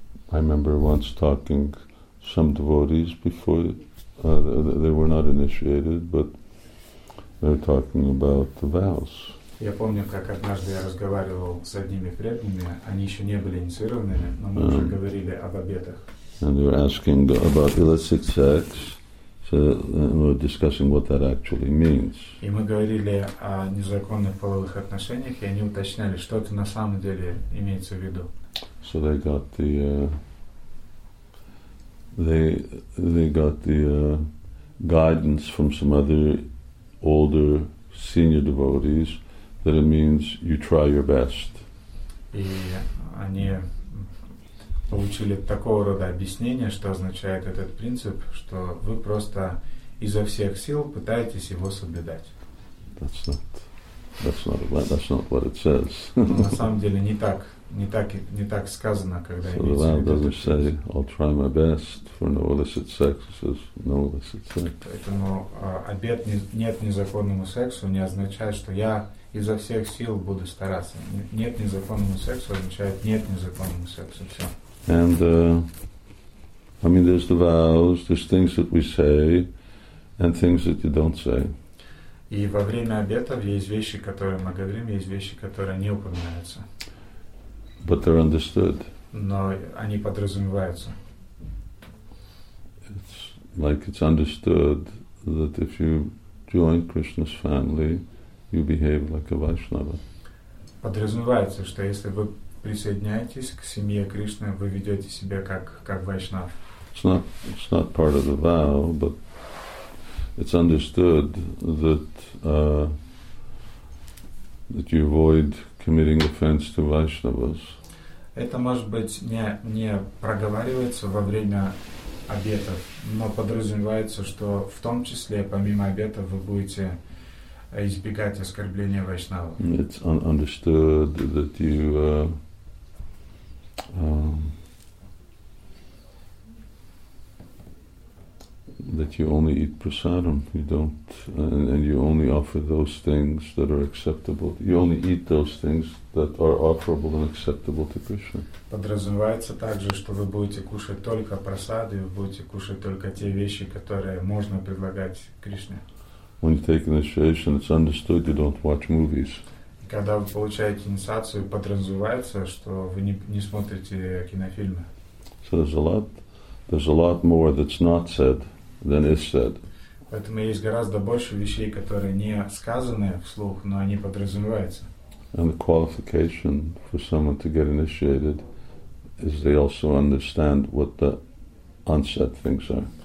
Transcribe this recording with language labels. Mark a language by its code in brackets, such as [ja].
[en] I remember once talking some devotees before they were not initiated, but they were talking about the vows. [ru] Я помню, как однажды я разговаривал с одними преданными, они еще не были инициированными, но мы уже говорили об обетах. [en] And they were asking about illicit sex, so we were discussing what that actually means. [ru] И мы говорили о незаконных половых отношениях, и они уточняли, что это на самом деле имеется в виду. [en] So they got the guidance from some other older senior devotees. That it means you try your best. [ru] И они получили такого рода объяснение, что означает этот принцип, что вы просто изо всех сил пытаетесь его соблюдать. [en] That's not what it says. [ru] На самом деле не так сказано, когда имеется в виду. [en] So the law doesn't say I'll try my best for no illicit sex. It says no illicit sex. [ru] Поэтому обет нет незаконному сексу не означает, что я изо всех сил буду стараться. Нет незаконному сексу означает нет незаконному сексу. Все. [en] And I mean, there's the vows, there's things that we say, and things that you don't say. [ru] И во время обетов есть вещи, которые мы говорим, есть вещи, которые не упоминаются. [en] But they're understood. [ru] Но они подразумеваются. [en] It's like it's understood that if you join Krishna's family, you behave like a Vaishnava. [ru] Подразумевается, что если вы присоединяетесь к семье Кришны, вы ведете себя как Вайшнав. [en] It's not part of the vow, but it's understood that that you avoid committing offense to Vaishnavas. [ru] Это может быть не проговаривается во время обетов, но подразумевается, что в том числе помимо обетов вы будете избегать оскорбления Вайшнава. [en] It's understood that you that you only eat prasadam, you don't, and you only offer those things that are acceptable. You only eat those things that are offerable and acceptable to Krishna. [ru] Подразумевается также, что вы будете кушать только прасады, вы будете кушать только те вещи, которые можно предлагать Кришне. [en] When you take initiation, it's understood you don't watch movies. [ru] Когда вы получаете инициацию, подразумевается, что вы не смотрите кинофильмы. [en] So there's a lot more that's not said. Than is said. [ru] Поэтому есть гораздо больше вещей, которые не сказаны вслух, но они подразумеваются. [en] And the qualification for someone to get initiated is they also understand what the unsaid things are.